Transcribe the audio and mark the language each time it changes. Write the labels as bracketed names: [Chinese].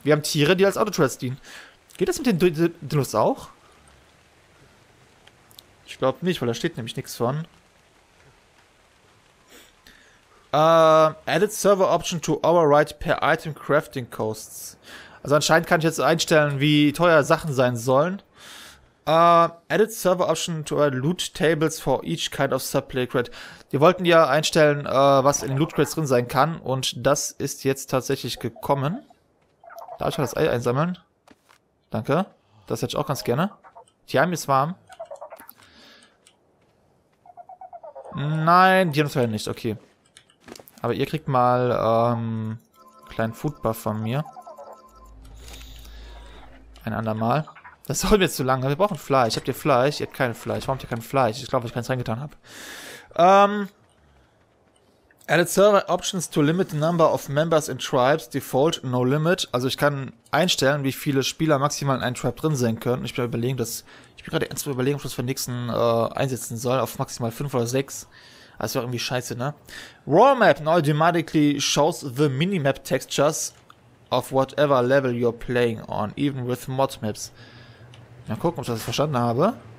[German] Wir haben Tiere, die als Auto-Turrets dienen. Geht das mit den Dinos auch? Ich glaube nicht, weil da steht nämlich nichts von. [English] Added Server Option to Override per Item Crafting Costs. [German] Also anscheinend kann ich jetzt einstellen, wie teuer Sachen sein sollen. [English] Added Server Option to Override Loot Tables for each kind of Supply Crate. [German] Wir wollten ja einstellen, was in den Loot Crates drin sein kann. Und das ist jetzt tatsächlich gekommen. Darf ich mal das Ei einsammeln? Danke. Das hätte ich auch ganz gerne. Die haben ist warm. Nein, die haben es leider nicht. Okay. Aber ihr kriegt mal einen kleinen Foodbuff von mir. Ein andermal. Das soll mir jetzt zu lange. Wir brauchen Fleisch. Habt ihr Fleisch? Ihr habt kein Fleisch. Warum habt ihr kein Fleisch? Ich glaube, weil ich keins reingetan habe. [English] Added Server Options to limit the number of members in tribes. Default no limit. [German] Also ich kann einstellen, wie viele Spieler maximal in einem Tribe drin sein können. Ich bin überlegen, dass ich bin gerade ernst überlegen, ob ich das für den nächsten einsetzen soll. Auf maximal 5 oder 6. Das wäre irgendwie scheiße, ne? [English] Raw Map now automatically shows the Minimap Textures of whatever level you're playing on, even with mod maps. [German] Mal gucken, ob ich das verstanden habe.